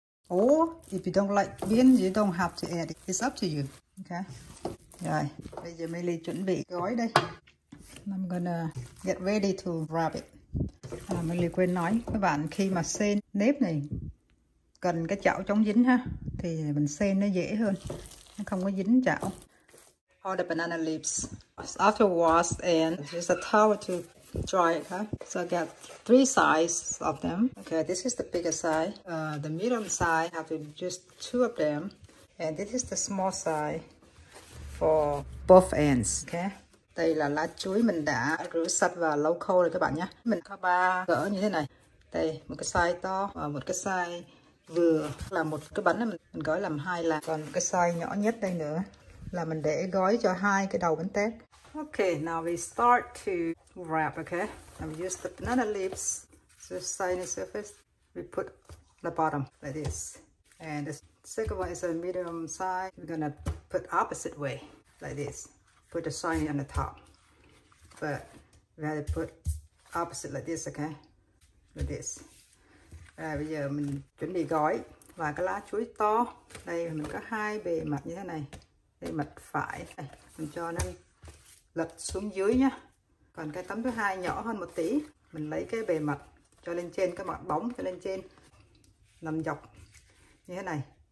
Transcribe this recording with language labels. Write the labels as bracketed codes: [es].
[en] Oh, if you don't like beans, you don't have to add it. It's up to you. Okay. [vi] Rồi, bây giờ Milly chuẩn bị gói đây. [en] I'm gonna get ready to wrap it. [vi] À, Milly quên nói các bạn, khi mà xên nếp này cần cái chảo chống dính ha, thì mình xên nó dễ hơn, nó không có dính chảo. [en] All the banana leaves after wash and use a towel to dry it, huh? So I got three sizes of them. Okay, this is the bigger size. The medium size have just two of them, and this is the small size for both ends. Okay. [vi] Đây là lá chuối mình đã rửa sạch và lau khô rồi các bạn nhé. Mình có ba cỡ như thế này. Đây, một cái size to và một cái size vừa, là một cái bánh này mình gói làm hai lá. Còn cái size nhỏ nhất đây nữa là mình để gói cho hai cái đầu bánh tét. [en] Okay, now we start to wrap, okay? I'm use the banana leaves. So shiny surface, we put the bottom like this. And the second one is a medium size. We're gonna put opposite way like this. Put the shiny on the top. But we have to put opposite like this, okay? Like this. [vi] À, bây giờ mình chuẩn bị gói. Và cái lá chuối to. Đây mình có hai bề mặt như thế này. Đây mặt phải. Đây, mình cho nó lật xuống dưới nhá. Còn cái tấm thứ hai nhỏ hơn một tí. Mình lấy cái bề mặt cho lên trên, cái mặt bóng cho lên trên. Nằm dọc như thế này.